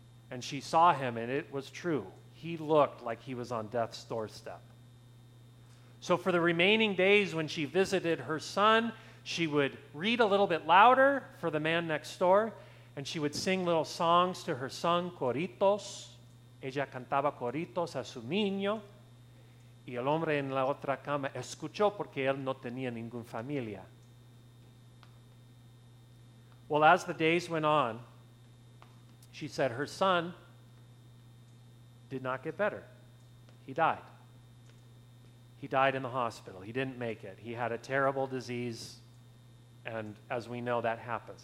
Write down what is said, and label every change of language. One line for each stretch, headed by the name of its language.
English: And she saw him, and it was true. He looked like he was on death's doorstep. So for the remaining days when she visited her son, she would read a little bit louder for the man next door, and she would sing little songs to her son, coritos.
Spanish: Ella cantaba coritos a su niño. Y el hombre en la otra cama escuchó porque él no tenía ninguna familia.
English: Well, as the days went on, she said her son did not get better. He died. He died in the hospital. He didn't make it. He had a terrible disease, and as we know, that happens.